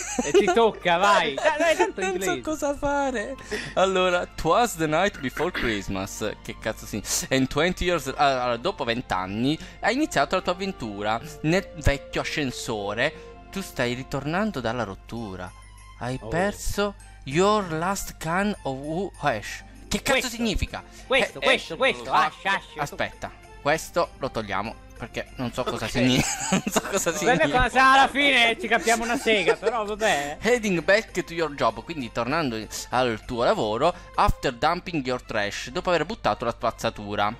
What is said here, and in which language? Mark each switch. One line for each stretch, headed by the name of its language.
Italian: E ti tocca, vai. Dai, non so cosa fare. Allora,
English: 'twas the night before Christmas.
Italian: Che cazzo si...
English: And 20 years...
Italian: Allora, dopo 20 anni hai iniziato la tua avventura nel vecchio ascensore. Tu stai ritornando dalla rottura. Hai perso
English: your last can of ash.
Italian: Che cazzo questo significa? Questo, ash. Aspetta, questo lo togliamo. Perché non so cosa significa. Non so cosa significa. Quando siamo alla fine ci capiamo una sega, però vabbè.
English: Heading back to your job,
Italian: quindi tornando al tuo lavoro,
English: after dumping your trash,
Italian: dopo aver buttato la spazzatura.